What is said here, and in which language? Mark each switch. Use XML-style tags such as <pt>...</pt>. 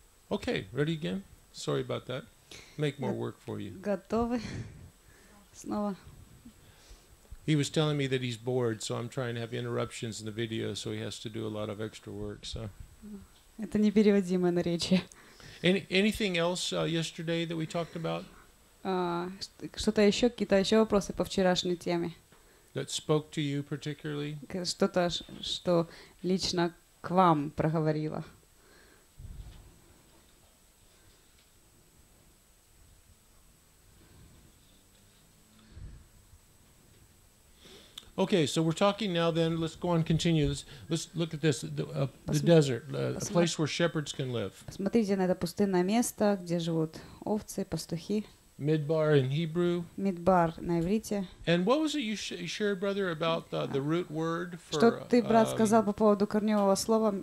<en>Okay, ready again? Sorry about that. Make more work for you.</en> <ru>Готовы? Снова.</ru> <en>He was telling me that he's bored, so I'm trying to have interruptions in the video, so he has to do a lot of extra work. So.</en> <ru>Это непереводимое наречие.</ru> <en>Anything else yesterday that we talked about?</en> <ru>Что-то еще, какие-то еще вопросы по вчерашней теме?</ru> <en>That spoke to you particularly.</en> <ru>Что-то, что лично к вам проговорило.</ru> <en>Okay, so we're talking now then, let's go on continue. Let's look at this, the desert, a place where shepherds can live.</en> <ru>Посмотрите на это пустынное место, где живут овцы, пастухи.</ru> <en>Midbar in Hebrew.</en> <ru>Midbar на иврите.</ru> <en>And what was it you shared, brother, about the root word for?</en> <ru>Что ты, брат, сказал по поводу корневого слова?</ru>